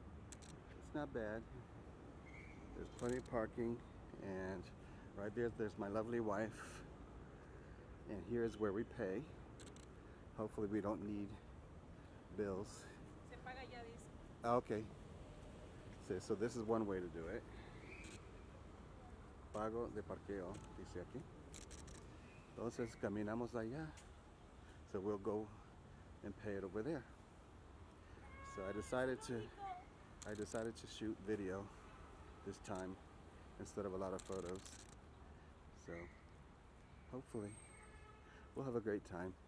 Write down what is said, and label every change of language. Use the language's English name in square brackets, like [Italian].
[English] It's not bad. There's plenty of parking, and right there's my lovely wife, and here is where we pay. Hopefully we don't need bills. [Spanish] Se paga ya, dice. [English] Okay. So this is one way to do it. [Spanish] Pago de parqueo, dice aquí. Entonces caminamos allá. [English] So we'll go and pay it over there. So I decided to shoot video this time instead of a lot of photos. So hopefully we'll have a great time.